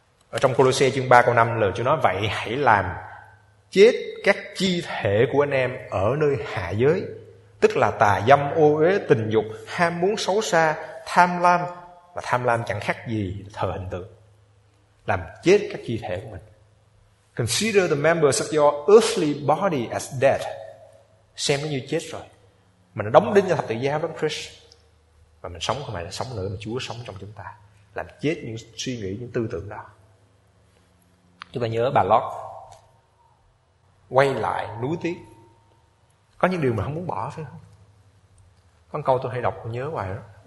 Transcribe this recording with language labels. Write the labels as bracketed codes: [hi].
[vi] Ở trong Colossae chương 3 câu 5, lời Chúa nói vậy hãy làm chết các chi thể của anh em ở nơi hạ giới, tức là tà dâm, ô uế, tình dục, ham muốn xấu xa, tham lam. Và tham lam chẳng khác gì thờ hình tượng. Làm chết các chi thể của mình. [en] Consider the members of your earthly body as dead. [vi] Xem nó như chết rồi. Mình đã đóng đinh cho thập tự giá với Christ. Và mình sống không phải là sống nữa, mà Chúa sống trong chúng ta. Làm chết những suy nghĩ, những tư tưởng đó. Chúng ta nhớ bà Lot quay lại núi tiếc. Có những điều mà không muốn bỏ, phải không? Có câu tôi hay đọc nhớ hoài đó.